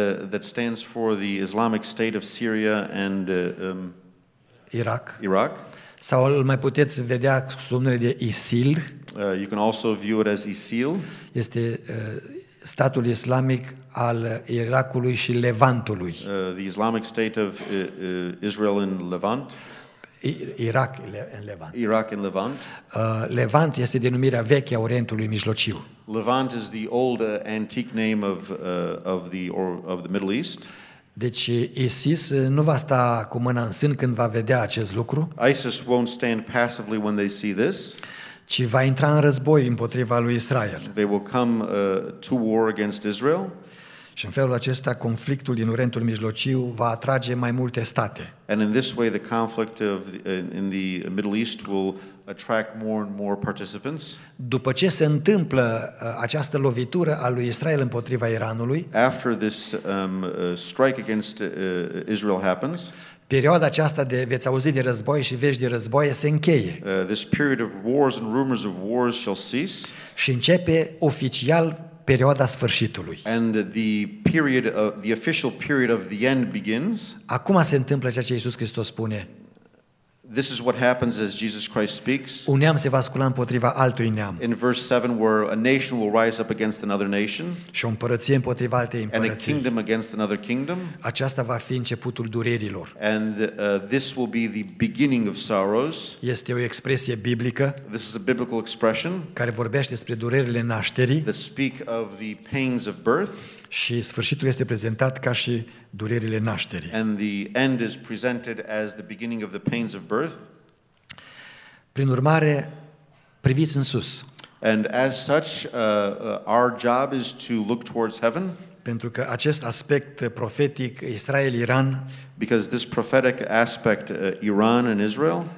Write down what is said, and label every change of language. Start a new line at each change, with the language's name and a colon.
English: that stands for the Islamic State of Syria and Iraq,
Romanian: sau îl mai puteți vedea sub numele de ISIL,
English: you can also view it as ISIL,
Romanian: este statul islamic al Irakului și Levantului.
English: The Islamic State of Israel and Levant. Iraq and Levant.
Romanian: Levant este denumirea veche a Orientului Mijlociu.
English: Levant is the old antique name of the Middle East.
Romanian: Deci ISIS nu va sta cu mâna în sân când va vedea acest lucru.
English: ISIS won't stand passively when they see this.
Romanian: Ci va intra în război împotriva lui Israel.
English: They will come to war against Israel.
Romanian: Și în felul acesta conflictul din Orientul Mijlociu va atrage mai multe state.
English: And in this way the conflict in the Middle East will attract more and more participants.
Romanian: După ce se întâmplă această lovitură a lui Israel împotriva Iranului,
English: after this strike against Israel happens,
Romanian: perioada aceasta de veți auzi de război și vești de război se încheie.
English: This period of wars and rumors of wars shall cease.
Romanian: Și începe oficial perioada sfârșitului.
English: And the official period of the end begins.
Romanian: Acum se întâmplă ceea ce Iisus Hristos spune.
English: This is what happens as Jesus Christ speaks.
Romanian: Un neam se va scula împotriva altui neam.
English: In verse 7, where a nation will rise up against another nation.
Romanian: Și o împărăție împotriva altei împărății.
English: And a kingdom against another kingdom.
Romanian: Aceasta va fi începutul durerilor.
English: And this will be the beginning of sorrows.
Romanian: Este o expresie biblică.
English: This is a biblical expression.
Romanian: Care vorbește despre durerile nașterii.
English: That speak of the pains of birth.
Romanian: Și sfârșitul este prezentat ca și durerile nașterii.
English: And the end is presented as the beginning of the pains of birth.
Romanian: Prin urmare, priviți în sus.
English: And as such, our job is to look towards heaven.
Romanian: pentru că acest aspect profetic Israel-Iran,
English: because this prophetic aspect Iran and Israel,